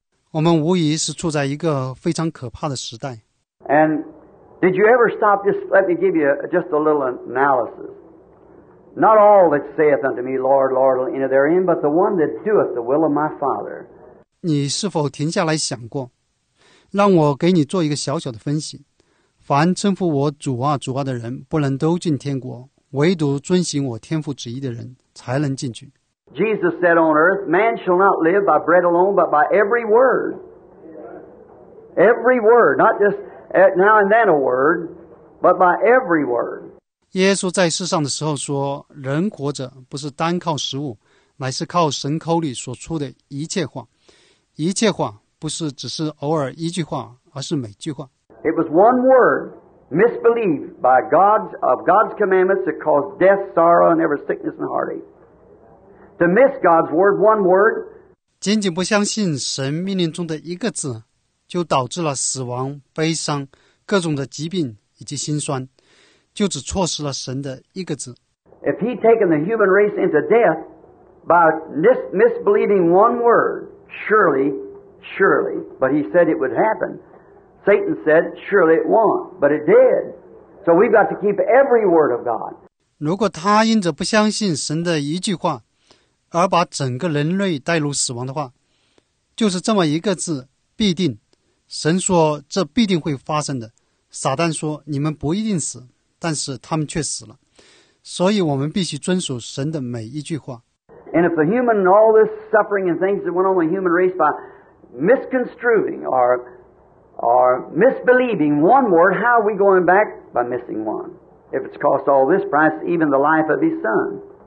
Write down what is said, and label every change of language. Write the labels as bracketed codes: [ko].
[zh] 我们无疑是处在一个非常可怕的时代。 [en] And did you ever stop? Just let me give you just a little analysis. Not all that saith unto me, Lord, Lord, will enter therein, but the one that doeth the will of my Father. [zh] 你是否停下来想过？让我给你做一个小小的分析。凡称呼我主啊主啊的人，不能都进天国，唯独遵行我天父旨意的人才能进去。 [en] Jesus said on earth, man shall not live by bread alone, but by every word. Every word, not just now and then a word, but by every word. [zh] 耶稣在世上的时候说，人活着不是单靠食物，乃是靠神口里所出的一切话。一切话不是只是偶尔一句话，而是每句话。 [en] It was one word, misbelief by God's commandments that caused death, sorrow, and every sickness and heartache. To miss God's word, one word. [zh] 仅仅不相信神命令中的一个字，就导致了死亡、悲伤、各种的疾病以及心酸，就只错失了神的一个字。 [en] If he'd taken the human race into death by misbelieving one word, surely, but he said it would happen. Satan said, surely it won't, but it did. So we've got to keep every word of God. [zh] 如果他因着不相信神的一句话，而把整个人类带入死亡的话，就是这么一个字，必定。神说这必定会发生的。撒旦说你们不一定死，但是他们却死了。所以我们必须遵守神的每一句话。 [en] And if the human and all this suffering and things that went on the human race by misconstruing or misbelieving one word, how are we going back by missing one? If it's cost all this price, even the life of his son.